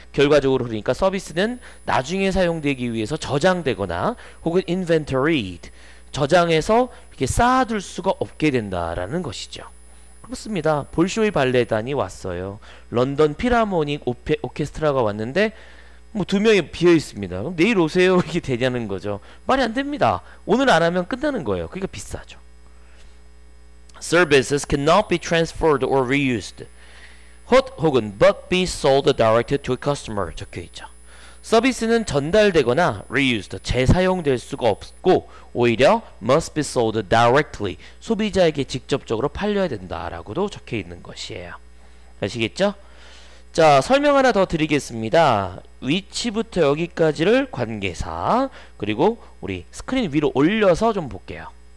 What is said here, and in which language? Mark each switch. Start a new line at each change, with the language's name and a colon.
Korean: 결과적으로 그러니까 서비스는 나중에 사용되기 위해서 저장되거나 혹은 inventoried 저장해서 이렇게 쌓아둘 수가 없게 된다라는 것이죠. 그렇습니다. 볼쇼이 발레단이 왔어요. 런던 필하모닉 오케스트라가 왔는데 뭐 두 명이 비어있습니다. 그럼 내일 오세요 이게 되냐는 거죠. 말이 안 됩니다. 오늘 안 하면 끝나는 거예요. 그러니까 비싸죠.
English: Services cannot be transferred or reused. 혹은 but be sold directly to a customer 적혀있죠.
Korean: 서비스는 전달되거나 reused, 재사용될 수가 없고 오히려
English: must be sold directly,
Korean: 소비자에게 직접적으로 팔려야 된다라고도 적혀있는 것이에요. 아시겠죠? 자, 설명 하나 더 드리겠습니다. 위치부터 여기까지를 관계사, 그리고 우리 스크린 위로 올려서 좀 볼게요.